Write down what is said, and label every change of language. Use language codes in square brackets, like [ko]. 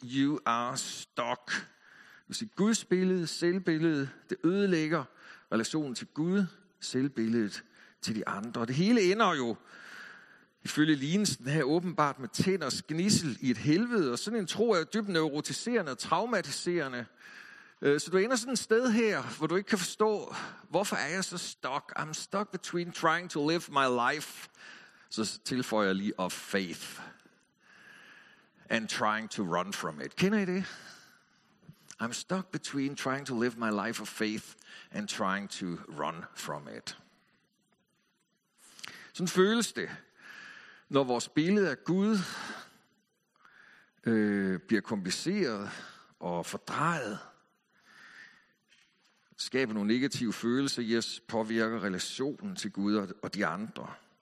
[en] You are stuck. [da] Det vil sige, Guds billede, selvbilledet, det ødelægger relationen til Gud, selvbilledet til de andre. Det hele ender jo, ifølge lignelsen her, åbenbart med tænders gnissel i et helvede, og sådan en tro er dybt neurotiserende og traumatiserende. Så du ender sådan et sted her, hvor du ikke kan forstå, hvorfor er jeg så stuck? [en] I'm stuck between trying to live my life, [da] så tilføjer jeg lige, [en] of faith, and trying to run from it. [da] Kender I det? [en] I'm stuck between trying to live my life of faith, and trying to run from it. [da] Sådan føles det, når vores billede af Gud bliver kompliceret og fordrejet, skaber nogle negative følelser, yes, påvirker relationen til Gud og de andre.